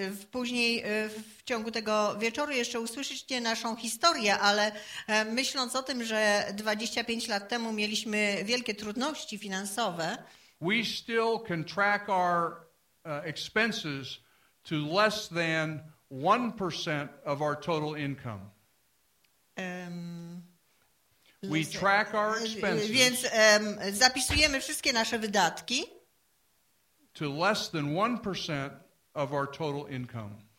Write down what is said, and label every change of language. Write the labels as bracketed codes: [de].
[pl] Później w ciągu tego wieczoru jeszcze usłyszycie naszą historię, ale myśląc o tym, że 25 lat temu mieliśmy wielkie trudności finansowe, [en] we still can track our expenses to less than 1% of our total income. We track our expenses. [pl] Więc zapisujemy wszystkie nasze wydatki [en] to less than 1% of our total income.